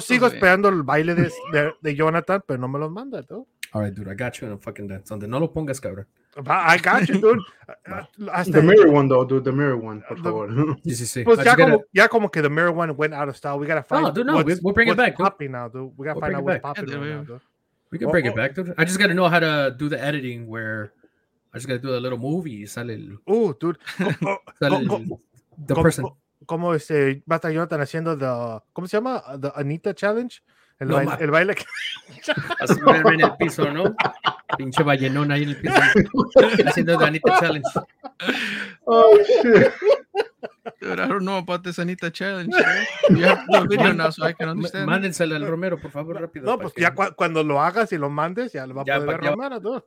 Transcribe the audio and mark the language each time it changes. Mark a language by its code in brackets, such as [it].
[es] sigo esperando el baile de Jonathan, pero no me los manda, ¿no? [en] All right, dude, I got you in a fucking dance. [es] Donde no lo pongas, cabrón. [en] I got you, dude. The mirror one, though, dude. The mirror one, [es] por favor. Sí. Pues ya como que [en] the mirror one went out of style. We gotta find. No, dude, no. We'll bring it back. What's popping now, dude? We gotta find out what's popping now, dude. We can bring it back, dude. I just gotta know how to do the editing where I just gotta do a little movie. [es] Sale el. [en] Oh, dude. The person. [es] Como va a estar Jonathan haciendo the. ¿Cómo se llama? The Anita Challenge. El baile que. Así me en el piso, ¿no? Pinche ballenón ahí en el piso. Haciendo de Anita Challenge. [en] Oh, shit. Dude, I don't know about this Anita Challenge. Right? You have the video now, so I can understand. [es] Mándensela al Romero, por favor, rápido. No, pues ya cuando lo hagas y lo mandes, ya lo va a poder ver Romero, ¿no?